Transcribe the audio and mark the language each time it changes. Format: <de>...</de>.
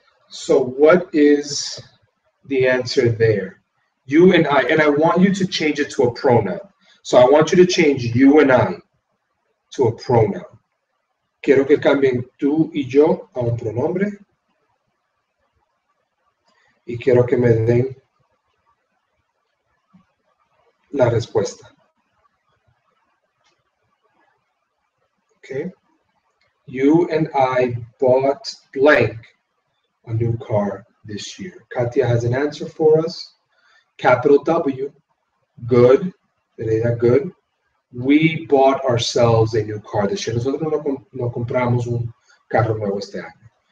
<en>So what is the answer there? You and I, and I want you to change it to a pronoun. So I want you to change you and I to a pronoun.</en> <es>Quiero que cambien tú y yo a un pronombre. Y quiero que me den la respuesta.</es> <en>Okay. You and I bought blank a new car this year. Katia has an answer for us. Capital W, good. Elena, good. We bought ourselves a new car this year.</en> <es>Nosotros no compramos un carro nuevo este año.</es>